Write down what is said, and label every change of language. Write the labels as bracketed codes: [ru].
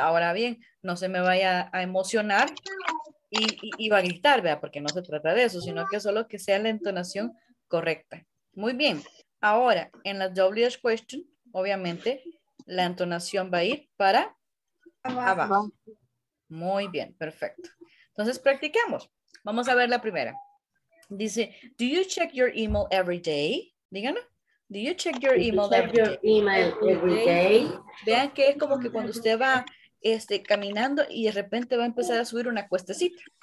[es] Ahora bien, no se me vaya a emocionar y va a gritar, ¿verdad? Porque no se trata de eso, sino que solo que sea la entonación correcta. Muy bien. Ahora, en la WH question, obviamente, la entonación va a ir para abajo. Muy bien, perfecto. Entonces, practiquemos. Vamos a ver la primera. [en] Dice, do you check your email every day? Díganos. Do you check your email, you check your email day? Every day? [es] Vean que es como que cuando usted va caminando y de repente va a empezar a subir una cuestecita.